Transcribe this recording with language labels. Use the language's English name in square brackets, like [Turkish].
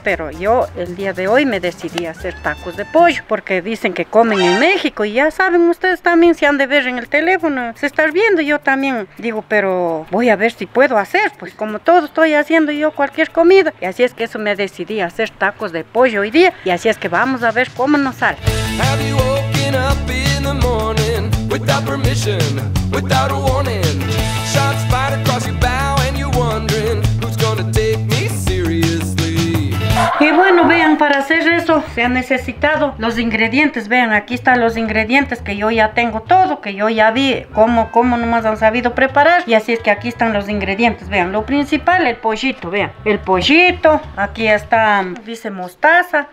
[Spanish] Pero yo el día de hoy me decidí a hacer tacos de pollo porque dicen que comen en México. Y ya saben ustedes también, si han de ver en el teléfono, se están viendo. Yo también digo, pero voy a ver si puedo hacer. Pues como todo, estoy haciendo yo cualquier comida. Y así es que eso me decidí a hacer tacos de pollo hoy día. Y así es que vamos a ver cómo nos sale. [English] Have you woken up in the morning without permission, without a warning? Shots fired across your bow and you're wondering who's gonna take me seriously. [Spanish] Y bueno, vean, para hacer eso se han necesitado los ingredientes. Vean, aquí están los ingredientes que yo ya tengo todo, que yo ya vi cómo nomás han sabido preparar. Y así es que aquí están los ingredientes. Vean, lo principal, el pollito, vean. El pollito, aquí está, dice mostaza.